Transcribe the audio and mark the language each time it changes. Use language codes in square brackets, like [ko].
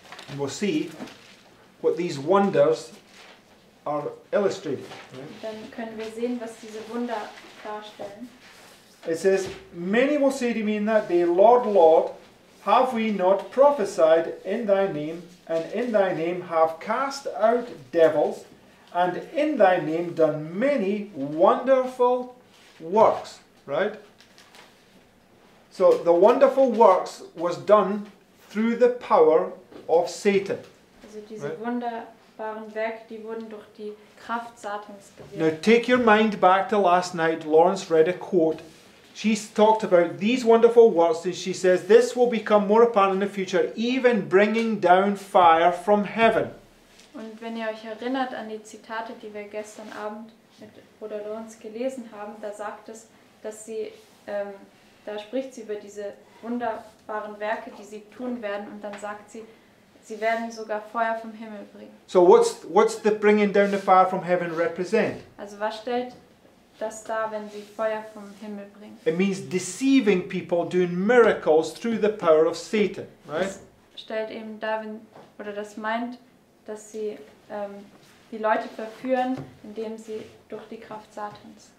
[en] And we'll see what these wonders are illustrating. Right? [de] Dann können wir sehen, was diese Wunder darstellen. [en] It says, many will say to me in that day, Lord, Lord, have we not prophesied in thy name, and in thy name have cast out devils, and in thy name done many wonderful works, right? So the wonderful works was done through the power of Satan. [de] Also diese [en] right? [de] wunderbaren Werke, die wurden durch die Kraft Satans gewirkt. [en] Now take your mind back to last night, Lawrence read a quote. She's talked about these wonderful works, and she says this will become more apparent in the future, even bringing down fire from heaven. [de] Und wenn ihr euch erinnert an die Zitate, die wir gestern Abend mit Bruder Lawrence gelesen haben, da sagt es, dass sie, da spricht sie über diese wunderbaren Werke, die sie tun werden, und dann sagt sie, sie werden sogar Feuer vom Himmel bringen. [en] So what's the bringing down the fire from heaven represent? [de] Also was stellt das da, wenn sie Feuer vom Himmel bringen? [en] It means deceiving people, doing miracles through the power of Satan, right? [de] Das stellt eben da, wenn, oder das meint, dass sie die Leute verführen, indem sie durch die Kraft Satans.